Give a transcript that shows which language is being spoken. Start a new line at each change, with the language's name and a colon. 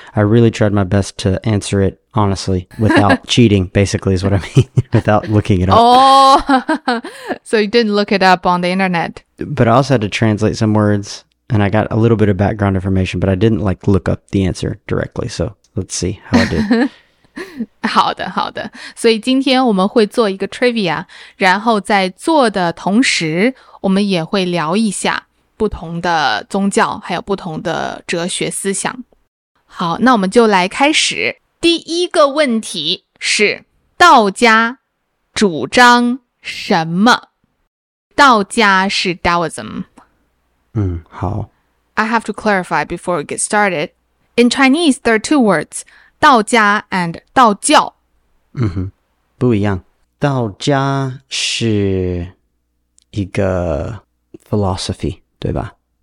English: I really tried my best to answer it honestly, without cheating, basically is what I mean, without looking it up. Oh, so you didn't look it up on the internet. But I also had to translate some words, and I got a little bit of background information, but I didn't like look up the answer directly. So let's see how I did.
Chinese: 好的好的所以今天我们会做一个 trivia 然后在做的同时我们也会聊一下不同的宗教还有不同的哲学思想好那我们就来开始第一个问题是道家主张什么道家是 Taoism 嗯好
English: I have to clarify before we get started In Chinese there are two words道家 and 道教、
Chinese: 嗯、哼不一样道家是一个 philosophy 对吧